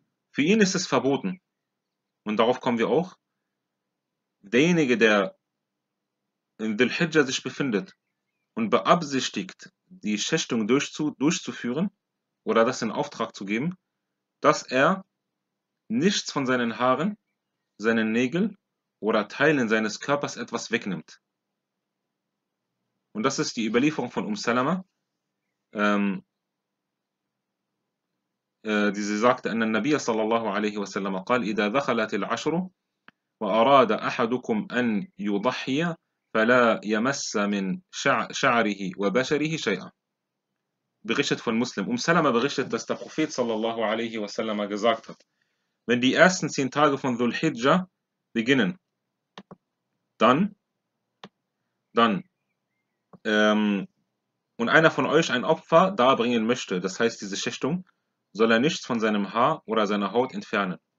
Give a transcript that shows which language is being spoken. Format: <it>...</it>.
<de>Für ihn ist es verboten, und darauf kommen wir auch, derjenige, der in Dhul-Hijjah sich befindet und beabsichtigt, die Schächtung durchzuführen oder das in Auftrag zu geben, dass er nichts von seinen Haaren, seinen Nägeln oder Teilen seines Körpers etwas wegnimmt. Und das ist die Überlieferung von Salama, die sie sagte,</de> <ar>أن النبي صلى الله عليه وسلم قال إذا دخلت العشر وأراد أحدكم أن يضحي فلا يمس من شعره وبشره شيئا.</ar> <de>Berichtet von Muslim. Salama berichtet, dass der Prophet</de> <ar>صلى الله عليه وسلم</ar> <de>gesagt hat, wenn die ersten 10 Tage von Dhul-Hijjah beginnen, dann, und einer von euch ein Opfer darbringen möchte, das heißt diese Schächtung, soll er nichts von seinem Haar oder seiner Haut entfernen.</de>